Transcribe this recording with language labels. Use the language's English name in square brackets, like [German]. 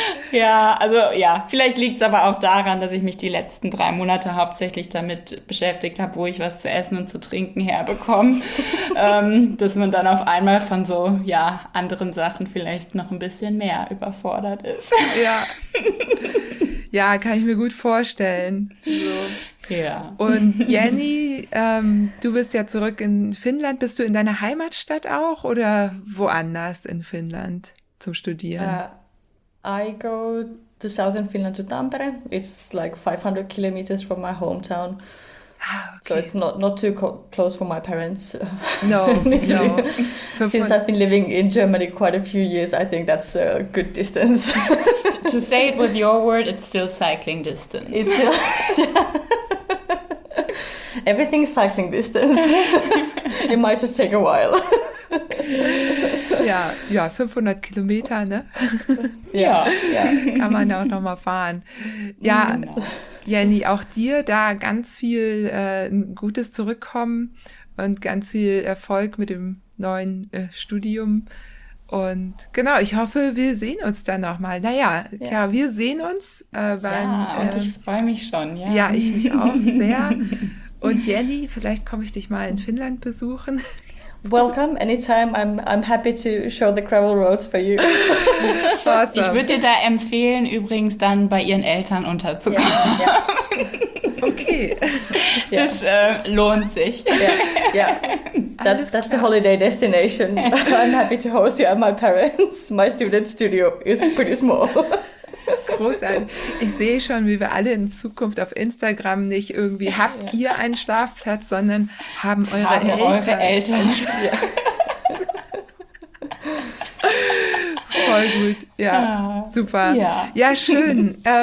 [German] Ja, also ja, vielleicht liegt es aber auch daran, dass ich mich die letzten 3 Monate hauptsächlich damit beschäftigt habe, wo ich was zu essen und zu trinken herbekomme, dass man dann auf einmal von so, ja, anderen Sachen vielleicht noch ein bisschen mehr überfordert ist. Ja, ja, kann ich mir gut vorstellen. So. Ja. Und Jenny, du bist ja zurück in Finnland. Bist du in deiner Heimatstadt auch oder woanders in Finnland zum Studieren? [English] I go to southern Finland, to Tampere. It's like 500 kilometers from my hometown. Ah, okay. So it's not too close for my parents. No, no. Since I've been living in Germany quite a few years, I think that's a good distance. To say it with your word, it's still cycling distance. It's still, everything's cycling distance. It might just take a while. [German] Ja, 500 Kilometer, ne? Ja. Kann man auch nochmal fahren. Ja, genau. Jenny, auch dir da ganz viel Gutes zurückkommen und ganz viel Erfolg mit dem neuen Studium. Und genau, ich hoffe, wir sehen uns dann nochmal. Naja, ja, klar, wir sehen uns. Und ich freue mich schon, ja. Ja, ich mich auch sehr. Und Jenny, vielleicht komme ich dich mal in Finnland besuchen. [English] Welcome, anytime. I'm happy to show the gravel roads for you. Awesome. [German] Ich würde dir da empfehlen, übrigens dann bei ihren Eltern unterzukommen. Yeah. Okay. Das lohnt sich. [English] That's a holiday destination. I'm happy to host you at my parents. My student studio is pretty small. [German] Großartig. Ich sehe schon, wie wir alle in Zukunft auf Instagram nicht irgendwie habt ihr einen Schlafplatz, sondern haben eure Eltern. Ja. Voll gut. Ja, super. Ja, ja, schön.